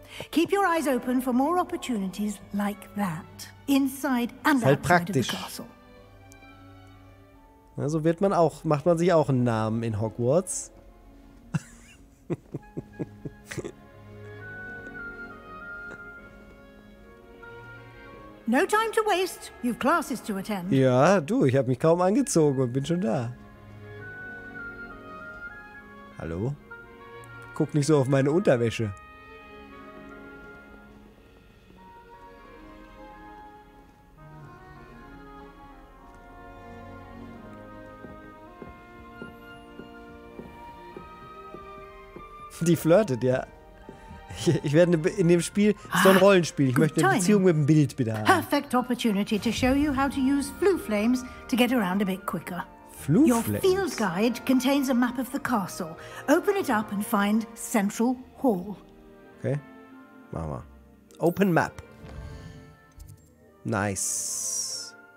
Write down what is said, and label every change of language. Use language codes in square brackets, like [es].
[en] Keep your eyes open for more opportunities like that. Inside and outside of the castle. [de] Also wird man auch, macht man sich auch einen Namen in Hogwarts. [en] No time to waste. You've classes to attend. [de] Ja, du, ich habe mich kaum angezogen und bin schon da. Hallo? Guck nicht so auf meine Unterwäsche. Die flirtet, ja. Ich werde in dem Spiel, es ist doch ein Rollenspiel, ich möchte eine Beziehung mit dem Bild bitte haben. [en] Perfect opportunity to show you how to use flu flames to get around a bit quicker. Flu flames? Your field guide contains a map of the castle. Open it up and find Central Hall. [de] Okay, machen wir. [en] Open map. Nice.